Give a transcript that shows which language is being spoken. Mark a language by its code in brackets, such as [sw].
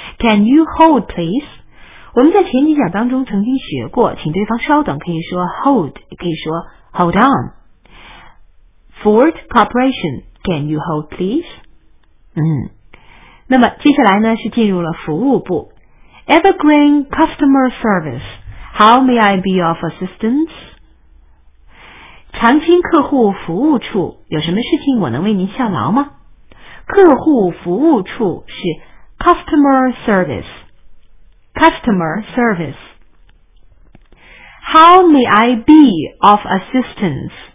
[zh] Can you hold please? 我们在前几讲当中曾经学过，请对方稍等可以说 hold, 也可以说 hold on。 [en] Ford Corporation, can you hold please? [zh] 那么接下来呢是进入了服务部。 [en] Evergreen Customer Service, how may I be of assistance? [zh] 长青客户服务处，有什么事情我能为您效劳吗？客户服务处是 Customer Service, Customer Service. [en] How may I be of assistance?